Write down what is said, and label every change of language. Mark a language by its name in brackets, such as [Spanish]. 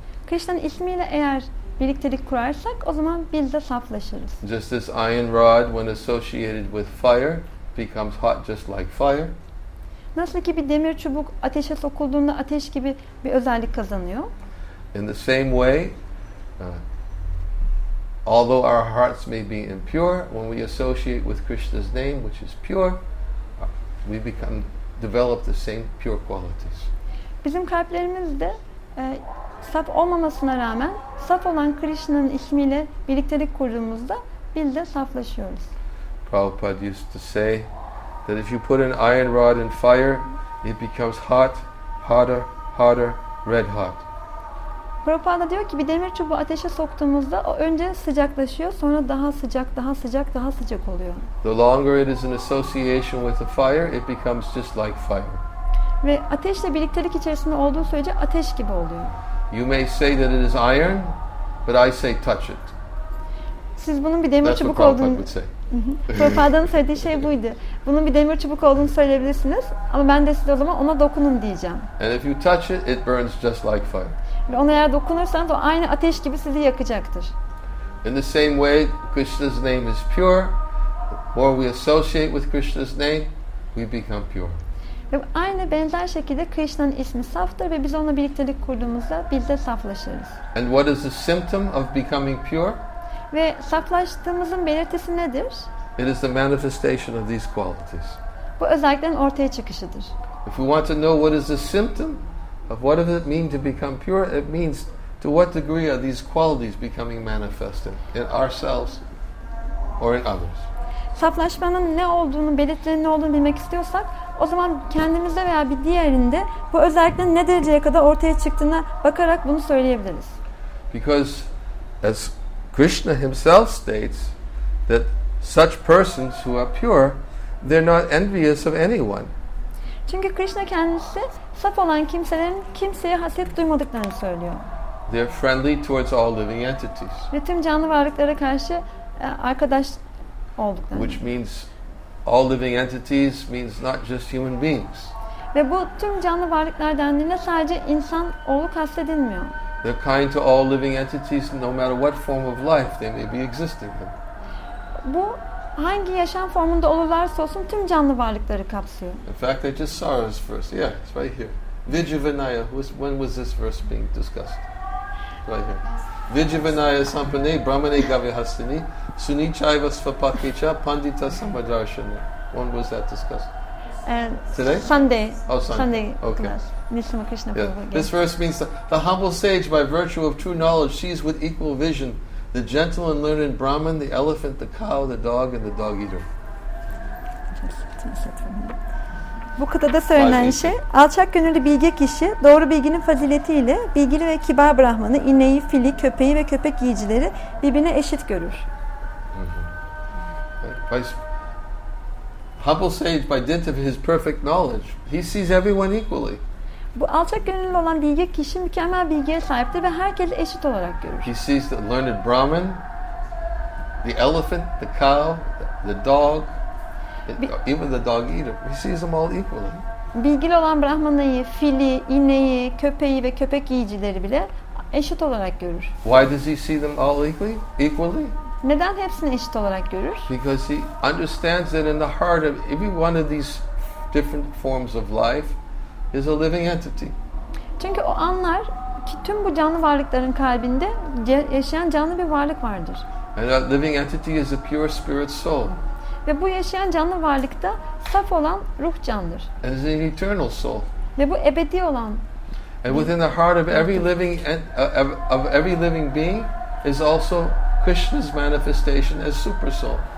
[Turkish] Krishna'nın ismiyle eğer birliktelik kurarsak o zaman biz de saflaşırız. [English] Just as iron rod when associated with fire becomes hot just like fire. [Turkish] Nasıl ki bir demir çubuk ateşe sokulduğunda ateş gibi bir özellik kazanıyor. [English] In the same way, although our hearts may be impure, when we associate with Krishna's name, which is pure, we become develop the same pure qualities. [Turkish] Bizim kalplerimiz de saf olmamasına rağmen saf olan Krishna'nın ismiyle birliktelik kurduğumuzda biz de saflaşıyoruz. [English] Prabhupada used to say that if you put an iron rod in fire, It becomes hot, hotter, hotter, red hot. [Turkish] Prabhupada diyor ki bir demir çubuğu ateşe soktuğumuzda o önce sıcaklaşıyor, sonra daha sıcak, daha sıcak, daha sıcak oluyor. [English] The longer it is in association with the fire, it becomes just like fire. [Turkish] Ve ateşle birliktelik içerisinde olduğu sürece ateş gibi oluyor. [English] You may say that it is iron, but I say touch it. [Turkish] Siz bunun bir demir çubuk olduğunu. Prabhupada'nın söylediği şey buydu. Bunun bir demir çubuk olduğunu söyleyebilirsiniz ama ben de size o zaman ona dokunun diyeceğim. [English] And if you touch it, it burns just like fire. [Turkish] Ve ona eğer dokunursanız o aynı ateş gibi sizi yakacaktır. [English] In the same way, Krishna's name is pure. The more we associate with Krishna's name, we become pure. [Turkish] Ve aynı benzer şekilde Krishna'nın ismi saftır ve biz onunla birliktelik kurduğumuzda biz de saflaşırız. [English] And what is the symptom of becoming pure? [Turkish] Ve saflaştığımızın belirtisi nedir? [English] It is the manifestation of these qualities. [Turkish] Bu özelliklerin ortaya çıkışıdır. [English] If we want to know what is the symptom of what does it mean to become pure, it means to what degree are these qualities becoming manifested in ourselves or in others. [Turkish] Saflaşmanın ne olduğunu, belirtilerin ne olduğunu bilmek istiyorsak, o zaman kendimizde veya bir diğerinde bu özelliklerin ne dereceye kadar ortaya çıktığına bakarak bunu söyleyebiliriz. [English] Because as Krishna himself states that such persons who are pure, they're not envious of anyone. [Turkish] Çünkü Krishna kendisi saf olan kimselerin kimseye haset duymadıklarını söylüyor. [English] They're friendly towards all living entities. [Turkish] Ve tüm canlı varlıklara karşı arkadaş olduklarını. [English] Which means all living entities means not just human beings. [Turkish] Ve bu tüm canlı varlıklar dendiğinde sadece insan oğlu kastedilmiyor. [English] They're kind to all living entities, no matter what form of life they may be existing in. [Turkish] Bu hangi yaşam formunda olurlarsa olsun tüm canlı varlıkları kapsıyor. [English] In fact, I just saw this verse. Yeah, it's right here. Vijayavinaya. When was this verse being discussed? Right here. [Sanskrit] Vijayavinaya sampane brahmane gavihasini sunichayvas vapakicha pandita samadarshana. [English] When was that discussed? Today? Sunday. Oh, Sunday. Sunday. Okay. Nishma Krishna Prabhu. Yeah. This verse means the humble sage, by virtue of true knowledge, sees with equal vision the gentle and learned Brahman, the elephant, the cow, the dog, and the dog eater. [Turkish] Bu kıtada söylenen şey, alçak gönüllü bilge kişi, doğru bilginin faziletiyle bilgili ve kibar Brahman'ı, ineği, fili, köpeği ve köpek yiyicileri birbirine eşit görür. [English] Humble sage, by dint of his perfect knowledge, he sees everyone equally. [Turkish] Bu alçak gönüllü olan bilge kişi mükemmel bilgiye sahiptir ve herkesi eşit olarak görür. [English] He sees the learned Brahman, the elephant, the cow, the dog, even the dog eater. He sees them all equally. [Turkish] Bilgili olan Brahman'ı, fili, ineği, köpeği ve köpek yiyicileri bile eşit olarak görür. [English] Why does he see them all equally? [Turkish] Neden hepsini eşit olarak görür? [English] Because he understands that in the heart of every one of these different forms of life is a living entity. [Turkish] Çünkü o anlar ki tüm bu canlı varlıkların kalbinde yaşayan canlı bir varlık vardır. [English] And that living entity is a pure spirit soul. [Turkish] Ve bu yaşayan canlı varlık da saf olan ruh candır. [English] And it's an eternal soul. [Turkish] Ve bu ebedi olan. [English] And within the heart of every living being is also Krishna's manifestation as super soul.